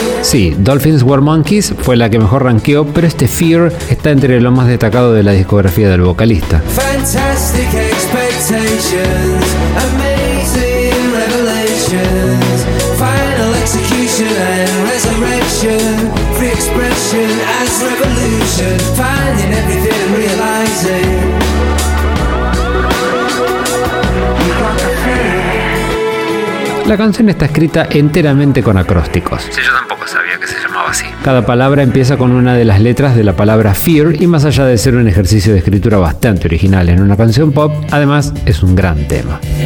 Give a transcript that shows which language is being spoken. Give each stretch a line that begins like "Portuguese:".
Spanish: Sí, Dolphins Were Monkeys fue la que mejor rankeó, pero este Fear está entre lo más destacado de la discografía del vocalista.
English: Fantastic expectations, amazing revelations, final execution and resurrection, free expression as revolution, finding everything and realizing.
Spanish: La canción está escrita enteramente con acrósticos. Sí, yo tampoco sabía que se llamaba así. Cada palabra empieza con una de las letras de la palabra Fear y más allá de ser un ejercicio de escritura bastante original en una canción pop, además es un gran tema.